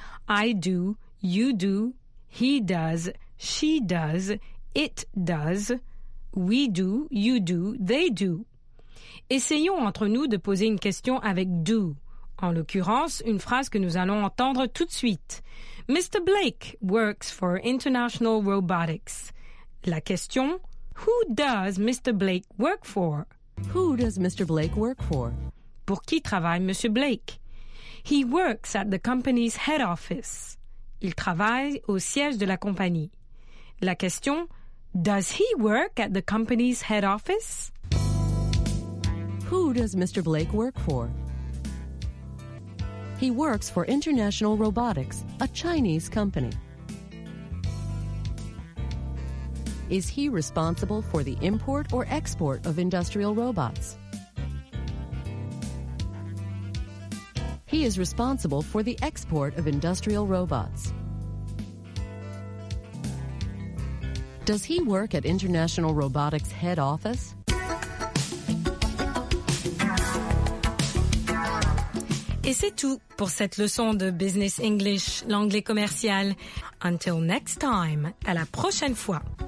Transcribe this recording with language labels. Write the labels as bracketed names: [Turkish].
[English] I do, you do, he does, she does, it does, we do, you do, they do. [French] Essayons entre nous de poser une question avec do. En l'occurrence, une phrase que nous allons entendre tout de suite. [English] Mr. Blake works for International Robotics. [French] La question, [English] who does Mr. Blake work for? Who does Mr. Blake work for? [French] Pour qui travaille Monsieur Blake? [English] He works at the company's head office. [French] Il travaille au siège de la compagnie. La question, [English] does he work at the company's head office? Who does Mr. Blake work for? He works for International Robotics, a Chinese company. Is he responsible for the import or export of industrial robots? He is responsible for the export of industrial robots. Does he work at International Robotics head office? [French] Et c'est tout pour cette leçon de Business English, l'anglais commercial. [English] Until next time, [French] à la prochaine fois.